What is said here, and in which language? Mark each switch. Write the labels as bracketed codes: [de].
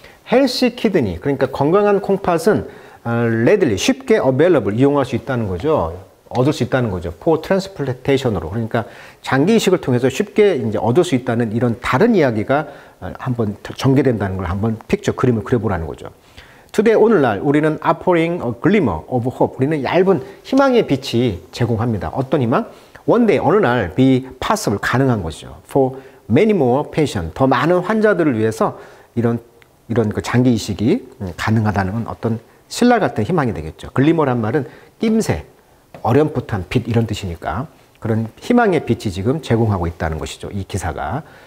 [ko] Healthy kidney, 그러니까 건강한 콩팥은 readily, 쉽게 available, 이용할 수 있다는 거죠. 얻을 수 있다는 거죠. [en] For transplantation [ko] 으로. 그러니까 장기 이식을 통해서 쉽게 이제 얻을 수 있다는 이런 다른 이야기가 한번 전개된다는 걸 한번 픽처 그림을 그려보라는 거죠. [en] Today, [ko] 오늘날 우리는 [en] offering a glimmer of hope. [ko] 우리는 얇은 희망의 빛이 제공합니다. 어떤 희망? One day, 어느 날 be possible, 가능한 것이죠. [en] For many more patients, [ko] 더 많은 환자들을 위해서 이런 그 장기 이식이 가능하다는 건 어떤 신라 같은 희망이 되겠죠. Glimmer란 말은 낌새, 어렴풋한 빛 이런 뜻이니까 그런 희망의 빛이 지금 제공하고 있다는 것이죠. 이 기사가.